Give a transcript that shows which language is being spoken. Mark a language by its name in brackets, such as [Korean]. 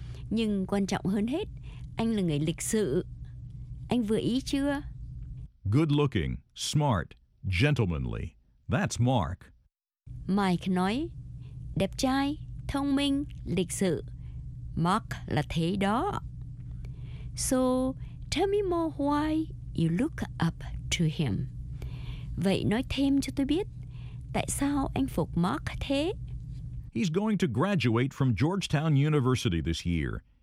[Vietnamese] Nhưng quan trọng hơn hết, anh là người lịch sự. Anh vừa ý chưa? [English] Good looking, smart, gentlemanly. That's Mark. [Vietnamese] Mike nói, đẹp trai, thông minh, lịch sự. Mark là thế đó. [English] So, tell me more why you look up to him. [Vietnamese] Vậy nói thêm cho tôi biết, tại sao anh phục Mark thế? [English] He's going to graduate from Georgetown University this year.